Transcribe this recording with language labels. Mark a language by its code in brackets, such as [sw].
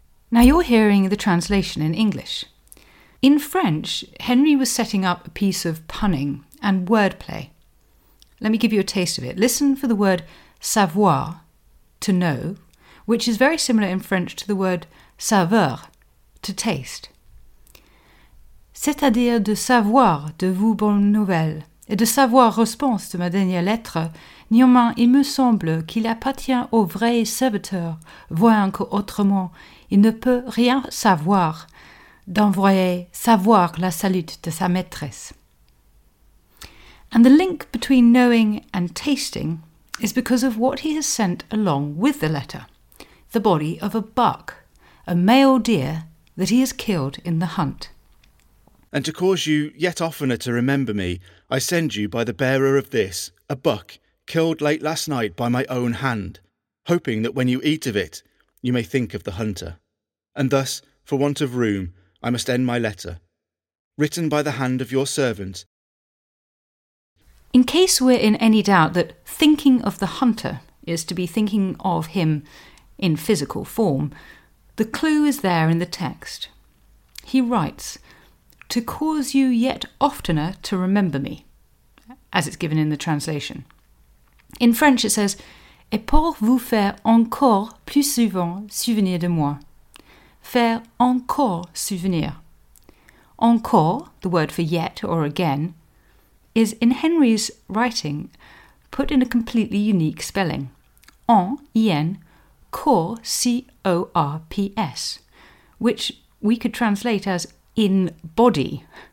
[en] Now you're hearing the translation in English. In French, Henry was setting up a piece of punning and wordplay. Let me give you a taste of it. Listen for the word savoir, to know, which is very similar in French to the word saveur, to taste. [fr] C'est-à-dire de savoir de vos bonnes nouvelles et de savoir réponse de ma dernière lettre, néanmoins il me semble qu'il appartient au vrai serviteur, voire qu'autrement il ne peut rien savoir. D'envoyer savoir la salute de sa maîtresse. [en] And the link between knowing and tasting is because of what he has sent along with the letter, the body of a buck, a male deer that he has killed in the hunt. And to cause you yet oftener to remember me, I send you by the bearer of this, a buck, killed late last night by my own hand, hoping that when you eat of it, you may think of the hunter. And thus, for want of room, I must end my letter, written by the hand of your servant. In case we're in any doubt that thinking of the hunter is to be thinking of him in physical form, the clue is there in the text. He writes, to cause you yet oftener to remember me, as it's given in the translation. In French it says, [fr] et pour vous faire encore plus souvent souvenir de moi. Faire encore souvenir. [en] Encore, the word for yet or again, is in Henry's writing put in a completely unique spelling. En, I-N, cor, si, O-R-P-S, which we could translate as in body.